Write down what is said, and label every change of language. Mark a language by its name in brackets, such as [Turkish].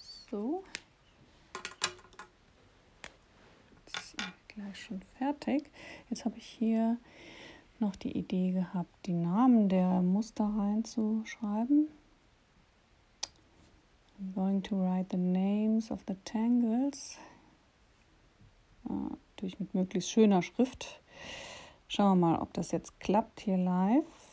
[German] So, das ist auch gleich schon fertig. Jetzt habe ich hier noch die Idee gehabt, die Namen der Muster reinzuschreiben. [English] I'm going to write the names of the tangles. [German] Natürlich mit möglichst schöner Schrift. Schauen wir mal, ob das jetzt klappt hier live.